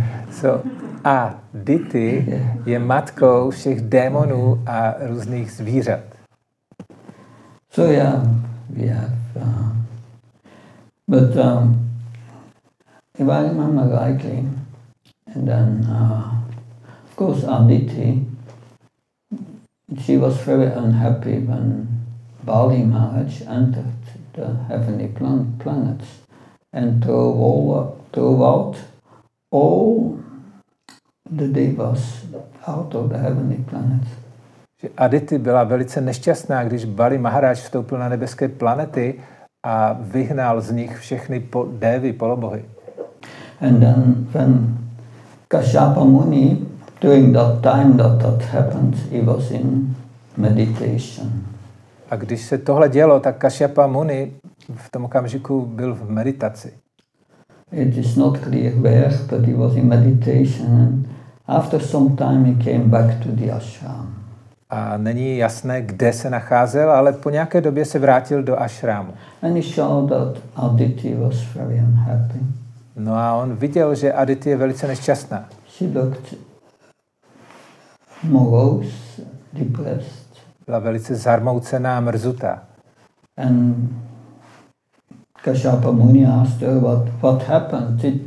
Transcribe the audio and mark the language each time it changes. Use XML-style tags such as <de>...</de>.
<cs>So a Diti je matkou všech démonů a různých zvířat.</cs> <en>So yeah, we have. But if I remember rightly, and then of course Aditi, she was very unhappy when Bali Maharaj entered the heavenly planets and drove out all the devas out of the heavenly planets.</en> <cs>Že Aditi byla velice nešťastná, když Bali Maharaj vstoupil na nebeské planety a vyhnal z nich všechny dévy, polobohy.</cs> <en>And then when Kashyapa Muni, during that time that happened, he was in meditation.</en> <cs>A když se tohle dělo, tak Kašyapa Muni v tom okamžiku byl v meditaci.</cs> <en>It is not clear where, but he was in meditation. After some time he came back to the ashram.</en> <cs>A není jasné, kde se nacházel, ale po nějaké době se vrátil do ashramu.</cs> <en>And he saw that Aditi was very unhappy.</en> <cs>No a on viděl, že Aditi je velice nešťastná.</cs> <en>She looked morose, depressed.</en> <cs>Byla velice zarmoucená a mrzutá.</cs> <en>And Kashyapa Muni asked her, what happened?</en>